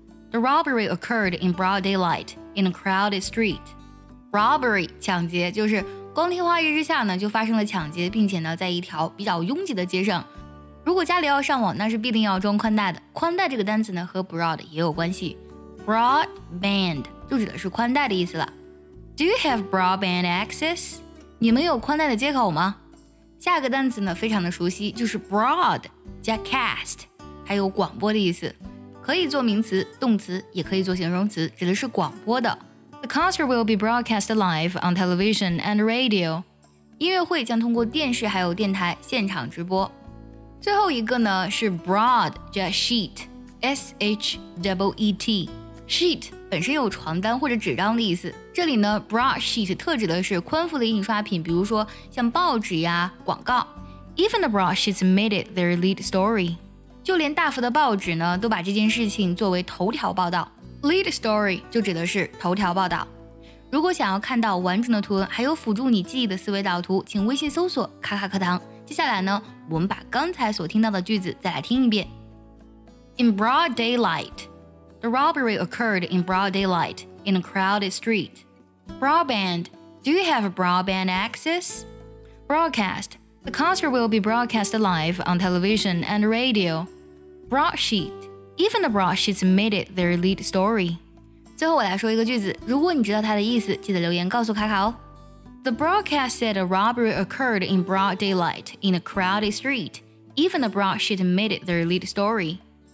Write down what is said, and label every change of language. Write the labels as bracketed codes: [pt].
[en] The robbery occurred in broad daylight in a crowded street. [zh] Robbery 抢劫就是光天化日之下呢就发生了抢劫，并且呢在一条比较拥挤的街上。如果家里要上网，那是必定要装宽带的。宽带这个单词呢和 broad 也有关系。Broadband 就指的是宽带的意思了。 [en] Do you have broadband access? [zh] 你们有宽带的接口吗？下一个单词呢非常的熟悉，就是 broad 加 cast， 还有广播的意思。可以做名词、动词，也可以做形容词，指的是广播的。 [en] The concert will be broadcast live on television and radio. [zh] 音乐会将通过电视还有电台现场直播。最后一个呢是 broad 加 sheet， S-H-E-E-T。 Sheet 本身有床单或者纸张的意思，这里呢 broad sheet 特指的是宽幅的印刷品，比如说像报纸呀、广告。 [en] Even the broad sheets made it their lead story. [zh] 就连大幅的报纸呢，都把这件事情作为头条报道。 Lead story 就指的是头条报道。如果想要看到完整的图文，还有辅助你记忆的思维导图，请微信搜索“卡卡课堂”。接下来呢，我们把刚才所听到的句子再来听一遍。 [en] In broad daylight. The robbery occurred in broad daylight in a crowded street. Broadband. Do you have broadband access? Broadcast. The concert will be broadcast live on television and radio. Broadsheet. Even the broadsheets made it their lead story. [zh] 最后我来说一个句子，如果你知道它的意思，记得留言告诉卡卡哦。 [en] The broadcast said a robbery occurred in broad daylight in a crowded street. Even the broadsheet made it their lead story.